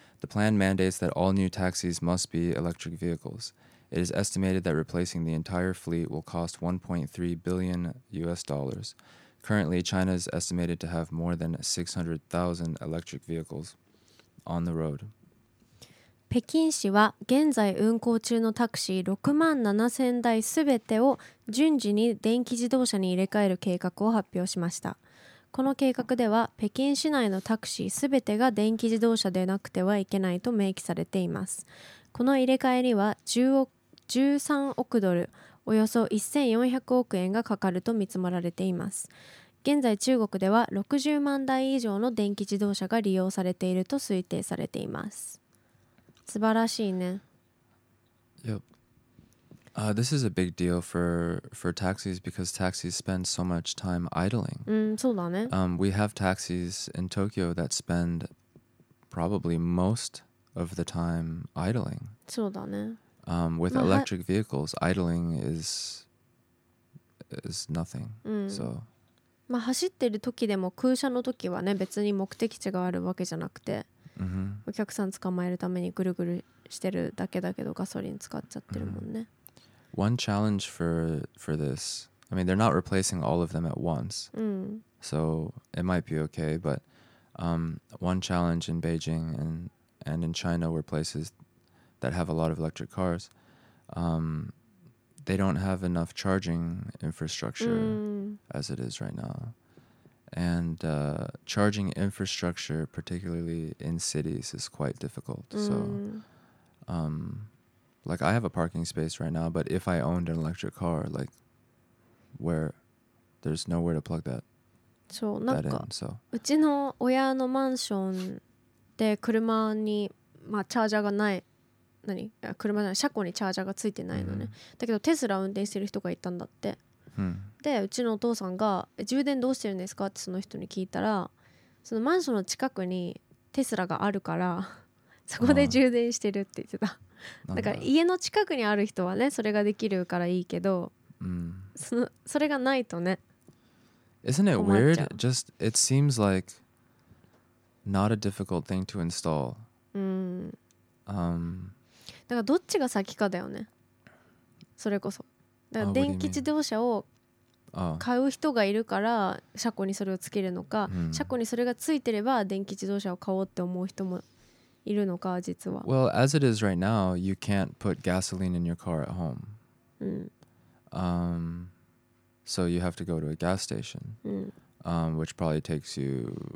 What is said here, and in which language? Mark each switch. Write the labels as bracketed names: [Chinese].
[English] The plan mandates that all new taxis must be electric vehicles. It is estimated that replacing the entire fleet will cost $1.3 billion. Currently, China is estimated to have more than 600,000 electric vehicles on the road. [Japanese] 北京市は現在運行中のタクシー6万7000台すべてを順次に電気自動車に入れ替える計画を発表しました。この計画では北京市内のタクシーすべてが電気自動車でなくてはいけないと明記されています。この入れ替えには13億ドル、およそ1400億円がかかると見積もられています。現在中国では60万台以上の電気自動車が利用されていると推定されています。素晴らしいね。 [English] Yep. This is a big deal for taxis because taxis spend so much time idling. [Japanese] そうだね。 [English] We have taxis in Tokyo that spend probably most of the time idling. [Japanese] そうだね。 [English] With electric vehicles, idling is nothing. So. [Japanese] まあ走ってる時でも空車の時はね、別に目的地があるわけじゃなくて。 Mm-hmm. お客さん捕まえるためにぐるぐるしてるだけだけどガソリン使っちゃってるもんね。 Mm-hmm. [English] One challenge for this, I mean, they're not replacing all of them at once,、 mm-hmm. so it might be okay, but、one challenge in Beijing and in China were places that have a lot of electric cars,、they don't have enough charging infrastructure、 mm-hmm. as it is right now. And charging infrastructure, particularly in cities, is quite difficult.、 Mm. So, like I have a parking space right now, but if I owned an electric car, like where there's nowhere to plug that, [Japanese] そう、なんか、 [English] that in. So, [Japanese] うちの親のマンションで車に、まあ、チャージャーがない、何？いや、車じゃない、車庫にチャージャーがついてないのね。 Mm. だけどテスラ運転してる人がいたんだって。でうちのお父さんが充電どうしてるんですかってその人に聞いたら、そのマンションの近くにテスラがあるからそこで充電してるって言ってた。だから家の近くにある人はね、それができるからいいけど、うん、それがないとね。 [English] Isn't it weird? Just it seems like not a difficult thing to install、 [Japanese] だからどっちが先かだよね。それこそだから電気自動車を買う人がいるから車庫にそれをつけるのか、車庫にそれがついてれば電気自動車を買おうって思う人もいるのか、実は。 [English] Well, as it is right now, you can't put gasoline in your car at home. So you have to go to a gas station, which probably takes you